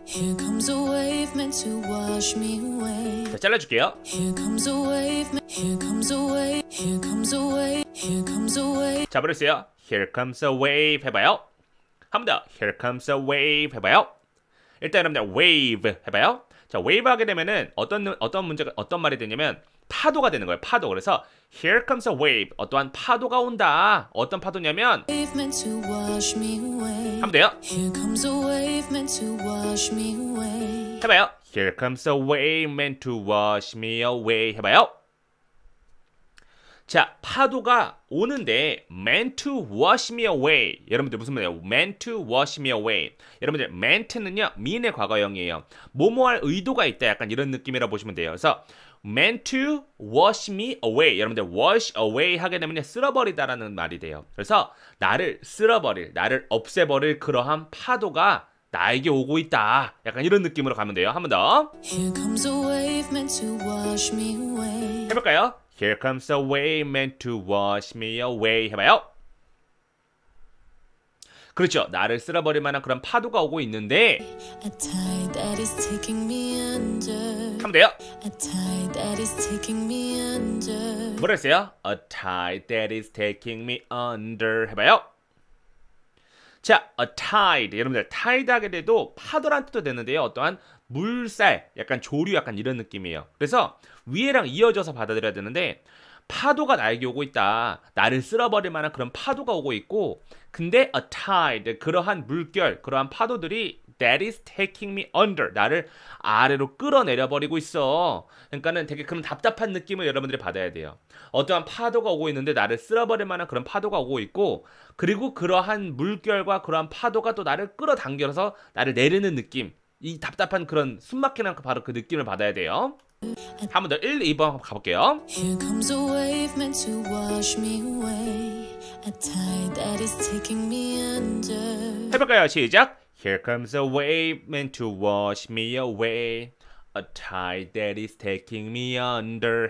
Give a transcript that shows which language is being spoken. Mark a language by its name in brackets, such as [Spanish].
[English] Here comes a wave meant to wash me away. [Korean] 자, 잘라줄게요. [English] Here comes a wave, here comes a wave, here comes a wave, here comes a wave. [Korean] 잡으세요. [English] Here comes a wave [Korean] 해봐요. 한 번 더. [English] Here comes a wave [Korean] 해봐요. 일단 여러분들 wave 해봐요. 자, wave 하게 되면은 어떤 말이 되냐면 파도가 되는 거예요. 파도. 그래서 [English] here comes a wave. [Korean] 어떠한 파도가 온다. 어떤 파도냐면 하면 돼요. [English] Here comes a wave meant to wash me away. [Korean] 해봐요. [English] Here comes a wave meant to wash me away. [Korean] 해봐요. 자, 파도가 오는데 [English] meant to wash me away. [Korean] 여러분들 무슨 말이에요? [English] meant to wash me away. [Korean] 여러분들 meant는요, mean의 과거형이에요. 뭐뭐할 의도가 있다. 약간 이런 느낌이라고 보시면 돼요. 그래서 [English] meant to wash me away. [Korean] 여러분들 wash away 하게 되면 쓸어버리다라는 말이 돼요. 그래서 나를 쓸어버릴, 나를 없애버릴 그러한 파도가 나에게 오고 있다. 약간 이런 느낌으로 가면 돼요. 한 번 더. [English] Here comes a wave meant to wash me away. [Korean] 해볼까요? [English] Here comes a wave meant to wash me away. [Korean] 해봐요. 그렇죠. 나를 쓸어버릴 만한 그런 파도가 오고 있는데 하면 돼요. [English] A tide that is taking me under. [Korean] 뭐라 했어요? [English] A tide that is taking me under. [Korean] 해봐요. 자, a tide. 여러분들, tide 하게 돼도 파도란 뜻도 되는데요. 어떠한 물살, 약간 조류, 약간 이런 느낌이에요. 그래서 위에랑 이어져서 받아들여야 되는데 파도가 나에게 오고 있다. 나를 쓸어버릴 만한 그런 파도가 오고 있고 근데 a tide, 그러한 물결, 그러한 파도들이 [English] that is taking me under, [Korean] 나를 아래로 끌어내려 버리고 있어. 그러니까는 되게 그런 답답한 느낌을 여러분들이 받아야 돼요. 어떠한 파도가 오고 있는데 나를 쓸어버릴 만한 그런 파도가 오고 있고 그리고 그러한 물결과 그러한 파도가 또 나를 끌어당겨서 나를 내리는 느낌. 이 답답한 그런 숨막히는 바로 그 느낌을 받아야 돼요. 한 번 더 1, 2번 가볼게요. [English] Here comes a wave meant to wash me away. A tide that is taking me under. [Korean] 해볼까요? 시작. [English] Here comes a wave meant to wash me away. A tide that is taking me under.